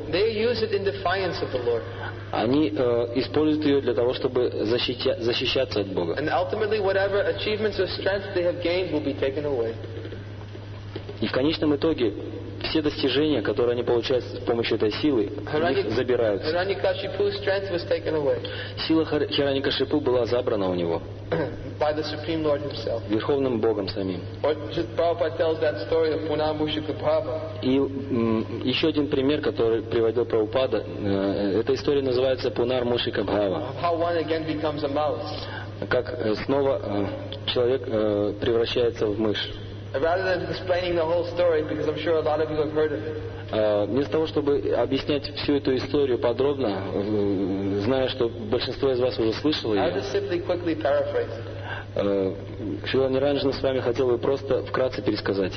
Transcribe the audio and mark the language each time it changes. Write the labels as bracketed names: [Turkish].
[English] They use it in defiance of the Lord. [Russian] Они используют ее для того, чтобы защищаться от Бога. [English] And ultimately, whatever achievements or strength they have gained will be taken away. [Russian] И в конечном итоге все достижения, которые они получают с помощью этой силы, забирают. [English] Hiranyakashipu's strength was taken away. [Russian] Сила Хираньякашипу была забрана у него. [English] By the Supreme Lord himself. [Russian] Верховным Богом самим. [English] Prabhupada tells that story of Punamushika Prabha. [Russian] И еще один пример, который приводил Прабхупада, эта история называется Пунармушика Бхава. [English] How one again becomes a mouse. [Russian] Как снова человек превращается в мышь. [English] Rather than explaining the whole story, because I'm sure a lot of you have heard of it. [Russian] Вместо того, чтобы объяснять всю эту историю подробно, зная, что большинство из вас уже слышало ее, [English] I'll just simply quickly paraphrase it. [Russian] Шрила Ниранджана с вами хотел бы просто вкратце пересказать